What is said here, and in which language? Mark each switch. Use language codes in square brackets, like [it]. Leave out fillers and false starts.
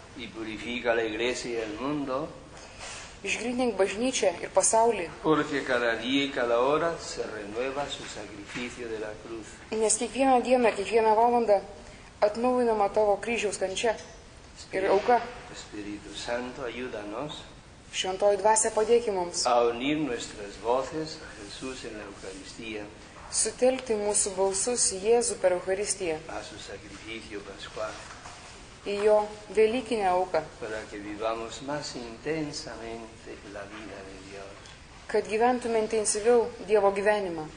[lt] Išgrindink bažnyčią ir pasaulį. Nes kiekvieną dieną, kiekvieną valandą atnaujinama tavo kryžiaus kančia ir auka. [es] Espíritu Santo, ayúdanos. [lt] Šventoji dvasia, padėki mums. [es] A unir nuestras voces a Jesús en la Eucaristía. [lt] Sutelkti mūsų balsus į Jėzų per Eucharistiją. [es] A su sacrificio pascual. [lt] Į jo velykinę auką. [es] Para que vivamos más intensamente la vida de Dios. [lt] Kad gyventume intensyviau Dievo gyvenimą.